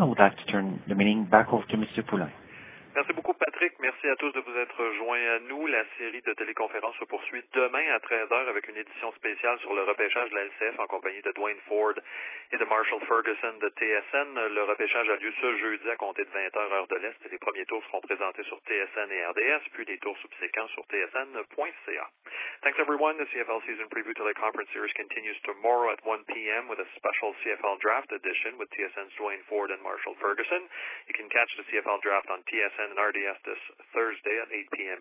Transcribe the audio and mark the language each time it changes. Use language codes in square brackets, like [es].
[en] I would like to turn the meeting back over to Mr. Poulin. [fr] Merci beaucoup, Patrick. Merci à tous de vous être joints à nous. La série de téléconférences se poursuit demain à 13h avec une édition spéciale sur le repêchage de la LCF en compagnie de Dwayne Ford et de Marshall Ferguson de TSN. Le repêchage a lieu ce jeudi à compter de 20h heure de l'Est. Les premiers tours seront présentés sur TSN et RDS, puis les tours subséquents sur TSN.ca. [en] Thanks, everyone. The CFL Season Preview Teleconference Series continues tomorrow at 1 p.m. with a special CFL Draft Edition with TSN's Dwayne Ford and Marshall Ferguson. You can catch the CFL Draft on TSN and RDS this Thursday at 8 p.m.